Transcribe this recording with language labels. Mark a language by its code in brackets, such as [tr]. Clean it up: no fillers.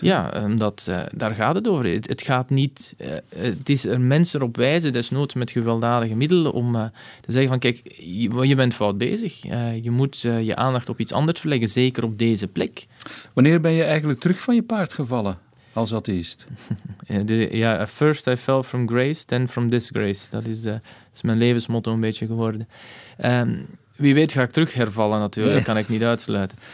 [nl] Ja, daar gaat het over. Het gaat niet... Het is er mensen erop wijzen, desnoods met gewelddadige middelen, om te zeggen van, kijk, je bent fout bezig. Je moet je aandacht op iets anders verleggen, zeker op deze plek. Wanneer ben je eigenlijk terug van je paard gevallen? Als atheïst. [en] Ja, first I fell from grace, then from disgrace. [nl] Dat is mijn levensmotto een beetje geworden. Wie weet ga ik terug hervallen natuurlijk, dat kan ik niet uitsluiten.